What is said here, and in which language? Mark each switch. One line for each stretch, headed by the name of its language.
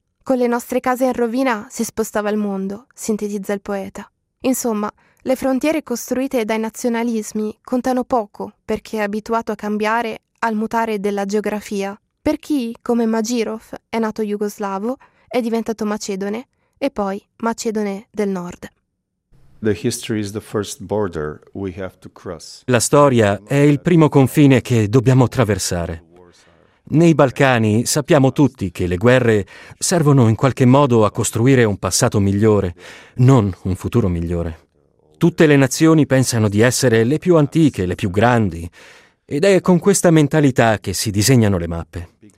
Italian: Con le nostre case in rovina si spostava il mondo, sintetizza il poeta. Insomma, le frontiere costruite dai nazionalismi contano poco per chi è abituato a cambiare al mutare della geografia. Per chi, come Magirov, è nato jugoslavo, è diventato macedone, e poi Macedone del Nord.
English: The history is the first border we have to cross.
Italian: La storia è il primo confine che dobbiamo attraversare. Nei Balcani sappiamo tutti che le guerre servono in qualche modo a costruire un passato migliore, non un futuro migliore. Tutte le nazioni pensano di essere le più antiche, le più grandi, ed è con questa mentalità che si disegnano le mappe.